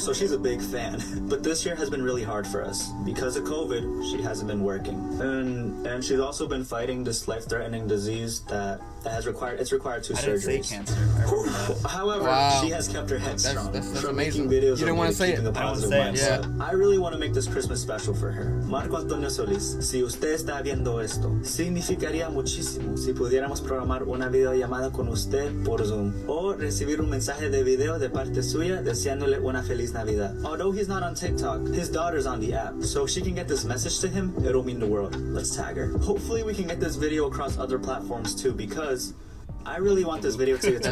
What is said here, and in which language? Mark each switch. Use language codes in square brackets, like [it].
[en] So she's a big fan. But this year has been really hard for us. Because of COVID, she hasn't been working. And she's also been fighting this life-threatening disease that's required 2 surgeries. I didn't say cancer. However, she has kept her head strong. That's amazing. Videos, you didn't want to say it. I really want to make this Christmas special for her. [es] Marco Antonio Solis, si usted está viendo esto, significaría muchísimo si pudiéramos programar una videollamada con usted por Zoom o recibir un mensaje de video de parte suya deseándole una feliz Navidad. [en] Although he's not on TikTok, his daughter's on the app. So if she can get this message to him, it'll mean the world. Let's tag her. Hopefully we can get this video across other platforms too, because I really want this video to get to